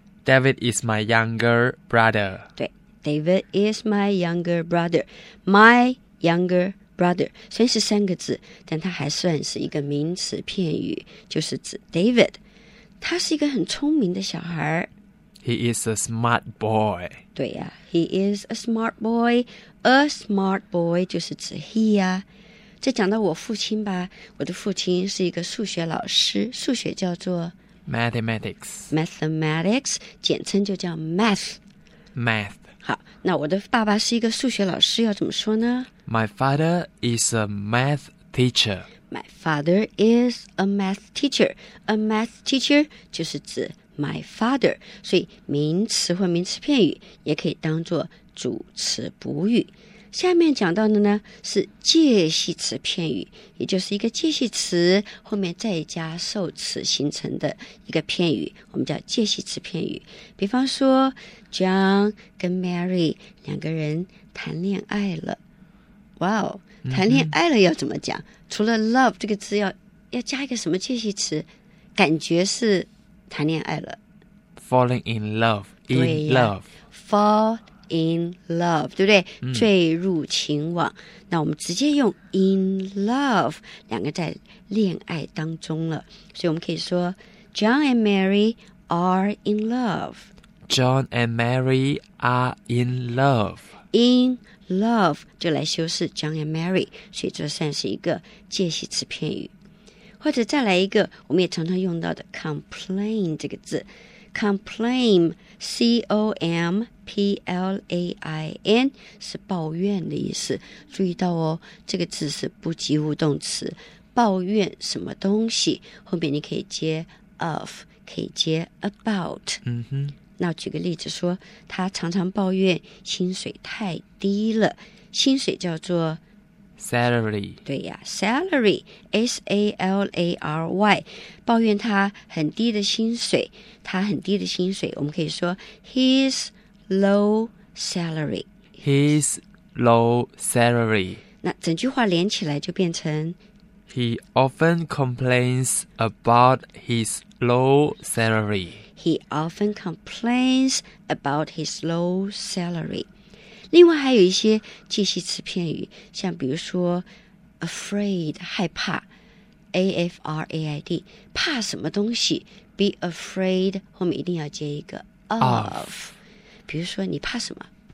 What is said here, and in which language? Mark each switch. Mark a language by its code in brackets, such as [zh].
[en] David is my younger brother。对， David is my younger brother。 My younger brother [zh] 虽然是三个字，但它还算是一个名词片语，就是指 David。他是一个很聪明的小孩。 [en] He is a smart boy. 对呀、啊、He is a smart boy. A smart boy [zh] 就是指 [en] he 呀、啊。 [zh] 再讲到我父亲吧，我的父亲是一个数学老师，数学叫做 [en] Mathematics. [zh] Mathematics 简称就叫 math. [en] Math. [zh] 好，那我的爸爸是一个数学老师，要怎么说呢？ [en] My father is a math teacher. My father is a math teacher. A math teacher [zh] 就是指 [en] My father, [zh] 所以名词或名词片语也可以当作主词补语。下面讲到的呢是介系词片语，也就是一个介系词后面再加受词形成的一个片语，我们叫介系词片语。比方说 John 跟 Mary 两个人谈恋爱了。哇哦，谈恋爱了要怎么讲？除了 love 这个字要加一个什么介系词？感觉是谈恋爱了 [en] Falling in love in love Fall in love [zh] 对不对、坠入情网，那我们直接用 in love 两个在恋爱当中了，所以我们可以说 [en] John and Mary are in love John and Mary are in love In love [zh] 就来修饰 [en] John and Mary [zh] 所以这算是一个介系词片语。或者再来一个我们也常常用到的 complain 这个字 complain C-O-M-P-L-A-I-N 是抱怨的意思，注意到哦，这个字是不及物动词，抱怨什么东西，后面你可以接 of 可以接 about、那举个例子说他常常抱怨薪水太低了，薪水叫做 [en] Salary [zh] 对呀 Salary S-A-L-A-R-Y 抱怨他很低的薪水，他很低的薪水我们可以说 [en] His low salary His low salary [zh] 那整句话连起来就变成 [en] He often complains about his low salary He often complains about his low salary [zh] 另外还有一些介系词片语，像比如说 afraid 害怕 A-F-R-A-I-D 怕什么东西 be afraid 后面一定要接一个 of 比如说你怕什么